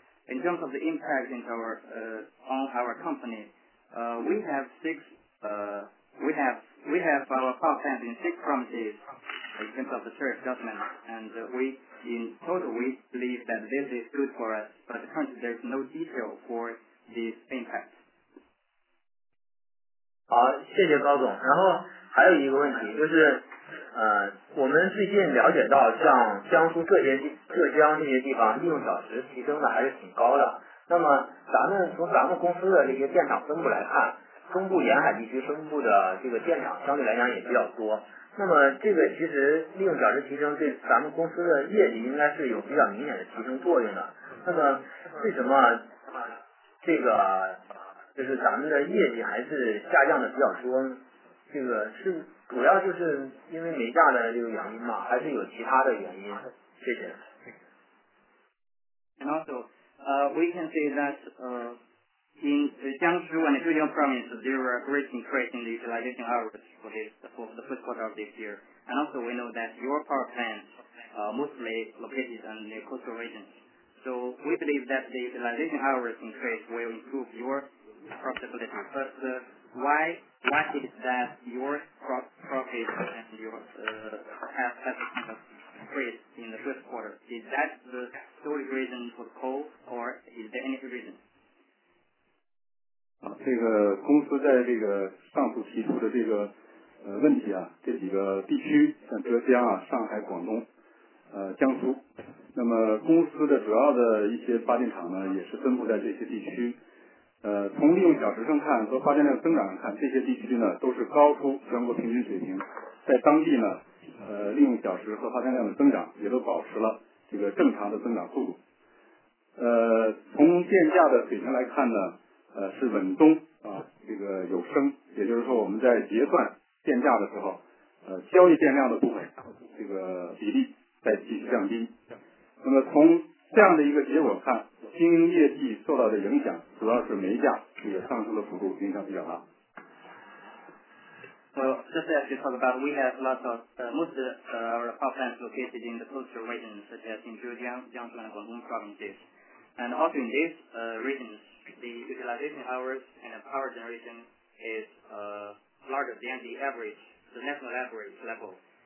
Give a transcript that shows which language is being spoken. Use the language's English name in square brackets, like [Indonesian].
[English] In terms of the impact on our company, we have our power plant in 6 provinces in terms of the tariff adjustment, and in total, we believe that this is good for us, but currently there's no detail for this impact. [Chinese] 好，谢谢高总。然后还有一个问题，就是我们最近了解到像江苏浙江这些地方利用小时提升的还是挺高的，那么从咱们公司的这些电厂分布来看，中部沿海地区分布的这个电厂相对来讲也比较多，那么这个其实利用小时提升对咱们公司的业绩应该是有比较明显的提升作用的，那么为什么这个就是咱们的业绩还是下降的比较多，这个是主要就是因为煤价的这个原因吗，还是有其他的原因？谢谢。 [English] And also, we can say that in Jiangsu and Zhejiang province, there were a great increase in the utilization hours for the first quarter of this year. And also we know that your power plants are mostly located in the coastal regions. So we believe that the utilization hours increase will improve your profitability. But why is that your profit and your have increased in the first quarter? Is that the sole reason for coal or is there any reason? [Chinese] 这个公司在这个上述提出的这个问题啊，这几个地区像浙江啊、上海、广东、江苏，那么公司的主要的一些发电厂呢，也是分布在这些地区。从利用小时上看和发电量增长看，这些地区呢都是高出全国平均水平，在当地呢，利用小时和发电量的增长也都保持了这个正常的增长速度。从电价的水平来看呢。是稳东啊，这个有升，也就是说我们在结算电价的时候，交易电量的部分这个比例在继续降低。那么从这样的一个结果看，经营业绩受到的影响主要是煤价这个上升的幅度影响比较大。 [English] Well, just as you talked about, we have most of our power plants located in the coastal regions, such as in Zhejiang, Jiangsu, and Guangdong provinces. And also in these regions, the utilization hours and the power generation is larger than the average, the national average level.